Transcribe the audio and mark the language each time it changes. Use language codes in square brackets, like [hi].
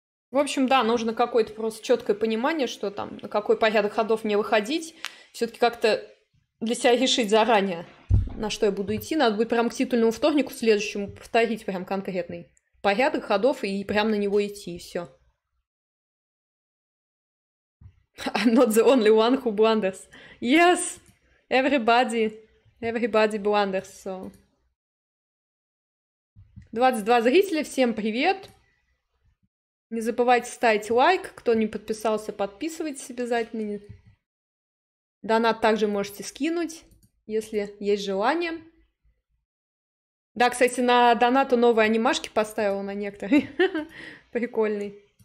[ru] В общем, да, нужно какое-то просто четкое понимание, что там, на какой порядок ходов мне выходить. Все-таки как-то для себя решить заранее, на что я буду идти. Надо будет прям к титульному вторнику следующему повторить прям конкретный порядок ходов и прям на него идти, и все. [en] I'm not the only one who blunders. Yes, everybody, everybody blunders, so. [ru] 22 зрителя, всем привет. Не забывайте ставить лайк. Кто не подписался, подписывайтесь обязательно. Донат также можете скинуть, если есть желание. Да, кстати, на донату новые анимашки поставила на некоторые. Прикольный.